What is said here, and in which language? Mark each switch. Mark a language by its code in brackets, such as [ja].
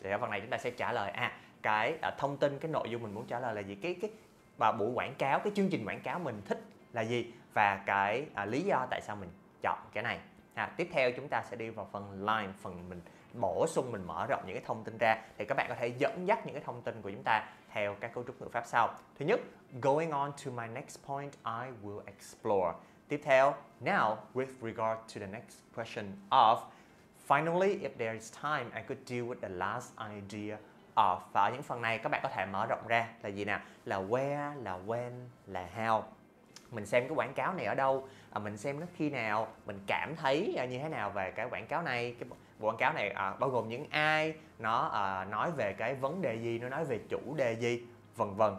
[vi] Thì ở phần này chúng ta sẽ trả lời cái thông tin, cái nội dung mình muốn trả lời là gì, và buổi quảng cáo, cái chương trình quảng cáo mình thích là gì, và cái lý do tại sao mình chọn cái này. Tiếp theo chúng ta sẽ đi vào phần line, phần mình bổ sung, mình mở rộng những cái thông tin ra, thì các bạn có thể dẫn dắt những cái thông tin của chúng ta theo các cấu trúc ngữ pháp sau. Thứ nhất, [en] going on to my next point, I will explore. [vi] Tiếp theo, [en] now with regard to the next question of, finally if there is time, I could deal with the last idea. [vi] Và ở những phần này các bạn có thể mở rộng ra là gì nào? Là where, là when, là how. Mình xem cái quảng cáo này ở đâu, mình xem nó khi nào, mình cảm thấy như thế nào về cái quảng cáo này. Cái quảng cáo này bao gồm những ai, nó nói về cái vấn đề gì, nó nói về chủ đề gì, vân vân.